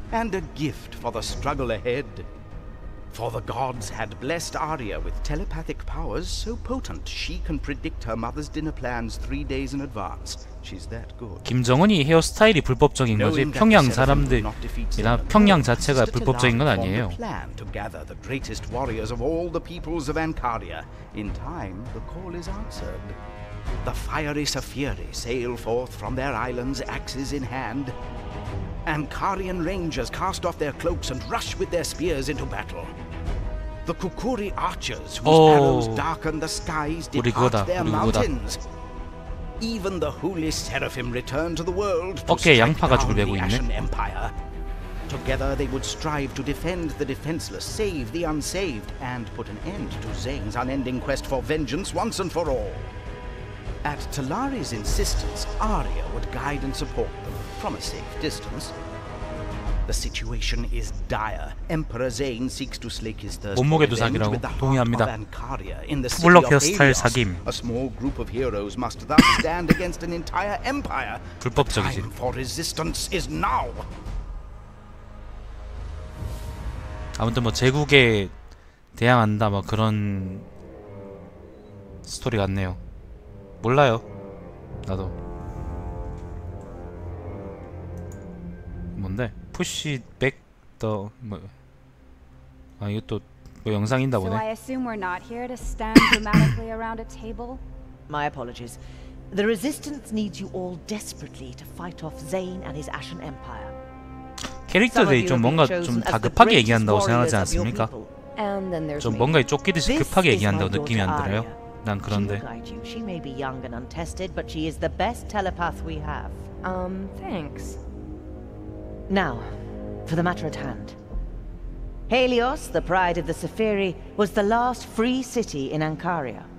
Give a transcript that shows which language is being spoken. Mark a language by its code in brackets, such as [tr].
[en] And a gift for the struggle ahead. For the gods had blessed Arya with telepathic powers so potent she can predict her mother's dinner plans 3 days in advance. She's that good. [ko] 김정은이 헤어스타일이 불법적인 거지 평양 사람들이나 평양 자체가 불법적인 건 아니에요. [en] Plan to gather the greatest warriors of all the peoples of Ankaria. In time, the call is answered. The fiery Saphiri sail forth from their islands, axes in hand. Ankarian rangers cast off their cloaks and rush with their spears into battle. The Kukuri archers, whose arrows darken the skies, depart their mountains. Even the holy seraphim return to the world to strike down the ashen empire. Together they would strive to defend the defenseless, save the unsaved, and put an end to Zane's unending quest for vengeance once and for all. At Talari's insistence, Arya would guide and support them from a safe distance. The situation is dire. Emperor Zane seeks to slake his thirst. [ko] 몸무게도 사기라고 동의합니다. 풀럭 헤어스타일 사김. [en] A small group of heroes must thus stand against an entire empire. [ko] 불법적이지. [en] Time for resistance is now. [ko] 아무튼 뭐 제국에 대항한다 뭐 그런 스토리 같네요. 몰라요. 나도. 뭔데? [en] Push back the [ko] 뭐 아 이거 또 뭐 영상인다 보네. [en] So I assume we're not here to stand dramatically around a table. My apologies. The resistance needs you all desperately to fight off Zane and his Ashen Empire. [ko] 캐릭터들이 좀 뭔가 좀 다급하게 얘기한다고 생각하지 않습니까? 좀 뭔가에 쫓기듯이 급하게 얘기한다고 느낌이 안 들어요? 난 그런데. [en] She may be young and untested, but she is the best telepath we have. Thanks. Now, for the matter at hand. Helios, the pride of the Sephiri, was the last free city in Ancaria.